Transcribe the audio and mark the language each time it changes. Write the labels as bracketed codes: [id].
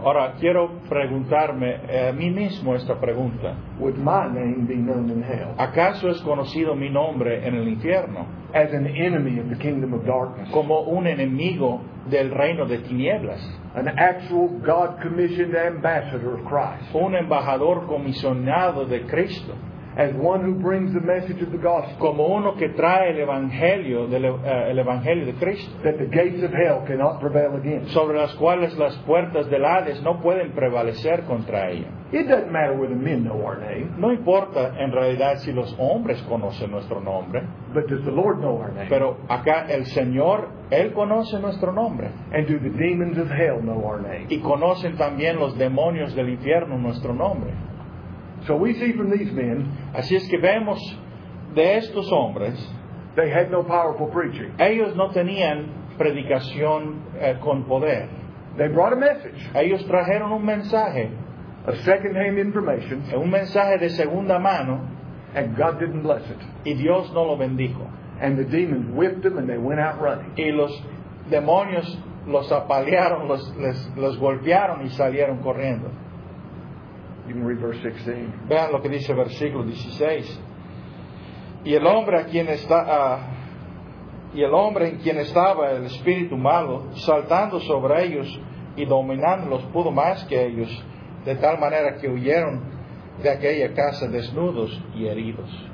[es] Ahora quiero preguntarme a mí mismo esta pregunta. [en] Would my name be known in hell? [es] ¿Acaso es conocido mi nombre en el infierno? [en] As an enemy of the kingdom of darkness. [es] Como un enemigo del reino de tinieblas. [en] An actual God-commissioned ambassador of Christ. [es] Un embajador comisionado de Cristo. [en] As one who brings the message of the gospel, [es] como uno que trae el evangelio de Cristo, [en] that the gates of hell cannot prevail against, [es] sobre las cuales las puertas del Hades no pueden prevalecer contra ella. [en] It doesn't matter whether men know our name. [es] No importa en realidad si los hombres conocen nuestro nombre. [en] But does the Lord know our name? [es] Pero acá el Señor, Él conoce nuestro nombre. [en] And do the demons of hell know our name? [es] Y conocen también los demonios del infierno nuestro nombre. [en] So we see from these men, [es] así es que vemos de estos hombres, [en] they had no powerful preaching. [es] Ellos no tenían predicación con poder. [en] They brought a message. [es] Ellos trajeron un mensaje, [en] a second-hand information, [es] un mensaje de segunda mano, [en] and God didn't bless it. [es] Y Dios no lo bendijo. [en] And the demons whipped them and they went out running. [es] Y los demonios los apalearon, los golpearon y salieron corriendo. [en] You can read verse 16. [es] Vean lo que dice versículo 16. Y el hombre a quien está y el hombre en quien estaba el espíritu malo, saltando sobre ellos y dominándolos, pudo más que ellos, de tal manera que huyeron de aquella casa desnudos y heridos.